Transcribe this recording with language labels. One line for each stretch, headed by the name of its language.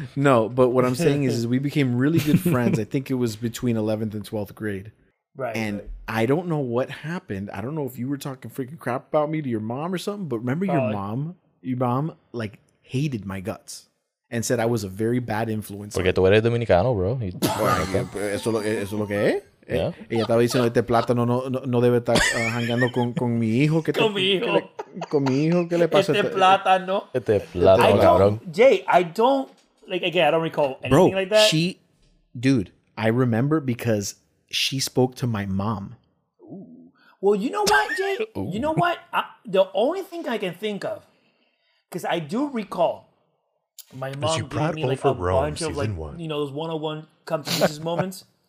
English: No, but what I'm saying is we became really good friends. I think it was between 11th and 12th grade. Right. And right. I don't know what happened. I don't know if you were talking freaking crap about me to your mom or something, but remember your mom like hated my guts and said I was a very bad influence.
Spanish: Porque tú eres dominicano, bro. Eso lo que es. Yeah. Ella estaba diciendo, este plátano no debe estar hangando con mi hijo. ¿Qué le pasa? Este plátano, cabrón.
English: Jay, I don't, like, again, I don't recall anything bro, like that. I remember because she spoke to my mom. Ooh. Well, you know what, Jay? You know what? The only thing I can think of, because I do recall my mom giving me like a Rome, bunch of, like, one, you know, those one-on-one come to Jesus moments.